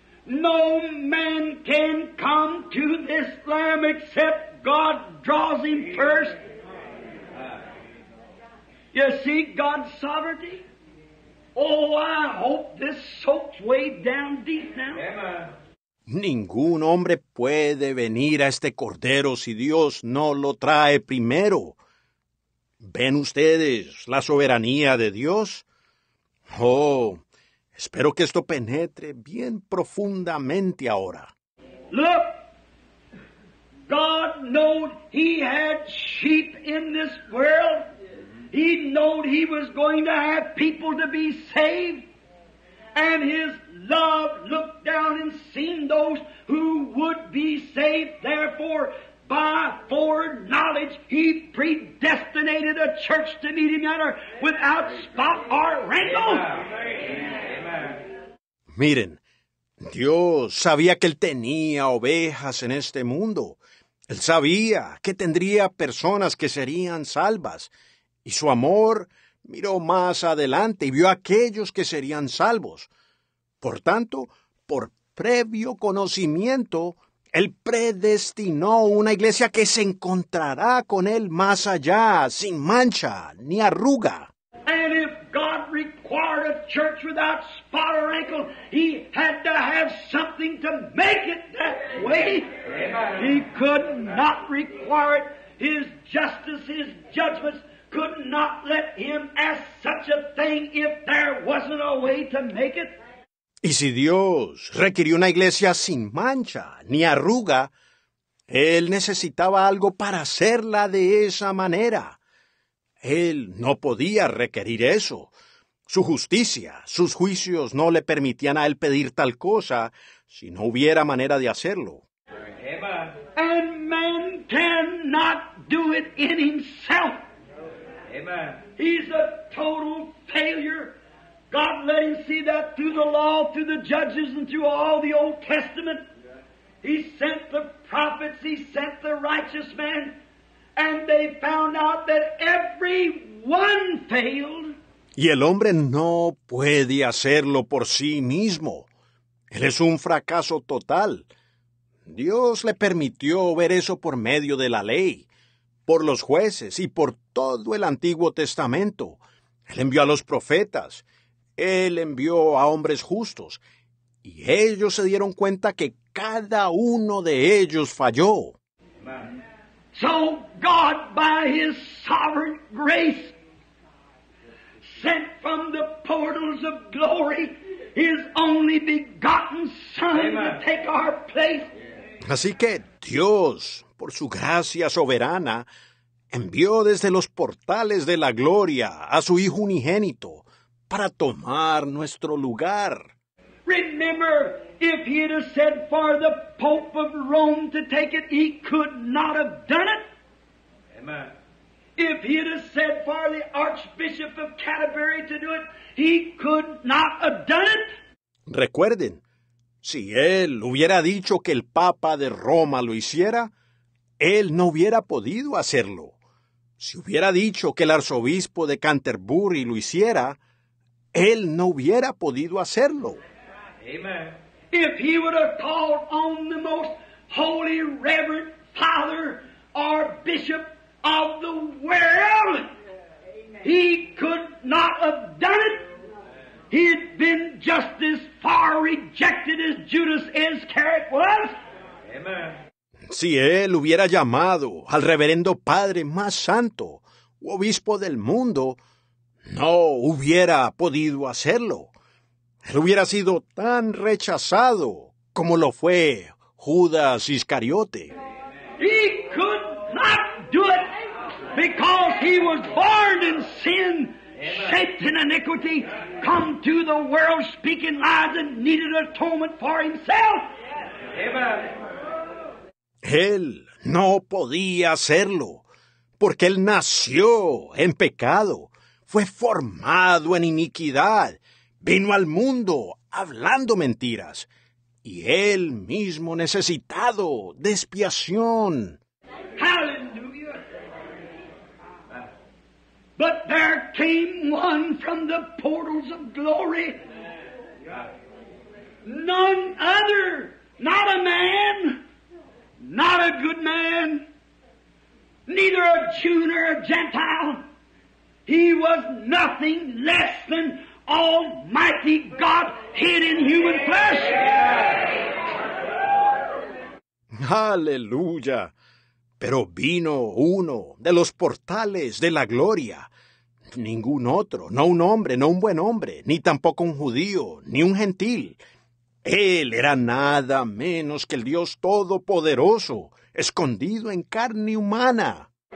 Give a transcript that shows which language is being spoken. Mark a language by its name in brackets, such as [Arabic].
[English] No man can come to this lamb except God draws him first. You see God's sovereignty? Oh, I hope this soaks way down deep now. Amen. [Spanish] Ningún hombre puede venir a este cordero si Dios no lo trae primero. ¿Ven ustedes la soberanía de Dios? Oh, espero que esto penetre bien profundamente ahora. [English] Look, God knowed he had sheep in this world. He knowed he was going to have people to be saved. And his love looked down and seen those who would be saved. Therefore, by foreknowledge, he predestinated a church to meet him at her without spot or wrinkle. Amen. [Spanish] Miren, Dios sabía que él tenía ovejas en este mundo. Él sabía que tendría personas que serían salvas. Y su amor miró más adelante y vio a aquellos que serían salvos. Por tanto, por previo conocimiento, él predestinó una iglesia que se encontrará con él más allá, sin mancha ni arruga. [English] And if God required a church without spot or wrinkle, he had to have something to make it that way. He could not require it. His justice, his judgments could not let him ask such a thing if there wasn't a way to make it. [Spanish] Y si Dios requirió una iglesia sin mancha ni arruga, él necesitaba algo para hacerla de esa manera. Él no podía requerir eso. Su justicia, sus juicios no le permitían a él pedir tal cosa si no hubiera manera de hacerlo. [English] And man cannot do it in himself. He's a total failure. God let him see that through the law, through the judges, and through all the Old Testament. He sent the prophets, he sent the righteous man. And they found out that everyone failed. [Spanish] Y el hombre no puede hacerlo por sí mismo. Él es un fracaso total. Dios le permitió ver eso por medio de la ley, por los jueces y por todo el Antiguo Testamento. Él envió a los profetas. Él envió a hombres justos. Y ellos se dieron cuenta que cada uno de ellos falló. [English] So God, by his sovereign grace, sent from the portals of glory his only begotten Son. Amen. To take our place. [Spanish] Así que Dios, por su gracia soberana, envió desde los portales de la gloria a su Hijo unigénito para tomar nuestro lugar. [English] Remember, if he had said for the Pope of Rome to take it, he could not have done it. Amen. If he had said for the Archbishop of Canterbury to do it, he could not have done it. [Spanish] Recuerden, si él hubiera dicho que el Papa de Roma lo hiciera, él no hubiera podido hacerlo. Si hubiera dicho que el Arzobispo de Canterbury lo hiciera, él no hubiera podido hacerlo. [English] Amen. If he would have called on the most holy, reverend father or bishop of the world, he could not have done it. He'd been just as far rejected as Judas Iscariot was. Amen. [Spanish] Si él hubiera llamado al reverendo padre más santo, u obispo del mundo, no hubiera podido hacerlo. Él hubiera sido tan rechazado como lo fue Judas Iscariote. [English] He could not do it because he was born in sin, shaped in iniquity, come to the world speaking lies and needed atonement for himself. Amen. [Spanish] Él no podía hacerlo porque él nació en pecado, fue formado en iniquidad. Vino al mundo hablando mentiras, y él mismo necesitado de expiación. [English] Hallelujah. But there came one from the portals of glory. None other, not a man, not a good man, neither a Jew nor a Gentile. He was nothing less than Almighty God hid in human flesh. [Spanish] ¡Aleluya! Pero vino uno de los portales de la gloria. Ningún otro, no un hombre, no un buen hombre, ni tampoco un judío, ni un gentil. Él era nada menos que el Dios Todopoderoso, escondido en carne humana.